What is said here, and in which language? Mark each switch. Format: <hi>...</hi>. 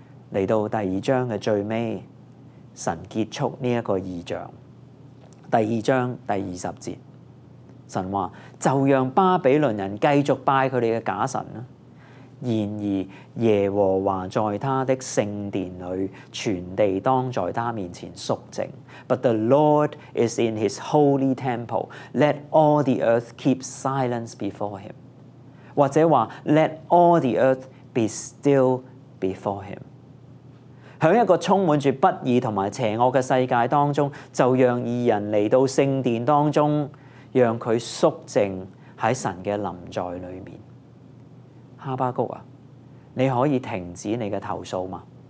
<zh>来到第二章的最尾，神结束这个异象。第二章第二十节，神说，就让巴比伦人继续拜他们的假神，然而耶和华在他的圣殿里，全地当在他面前肃静。</zh> <en>But the Lord is in his holy temple, let all the earth keep silence before him，</en> <zh>或者说</zh> <en>let all the earth be still before him。</en> <zh>在一个充满着不义和邪恶的世界当中，就让义人来到圣殿当中，让他肃静在神的临在里面。哈巴谷啊，你可以停止你的投诉吗？</zh>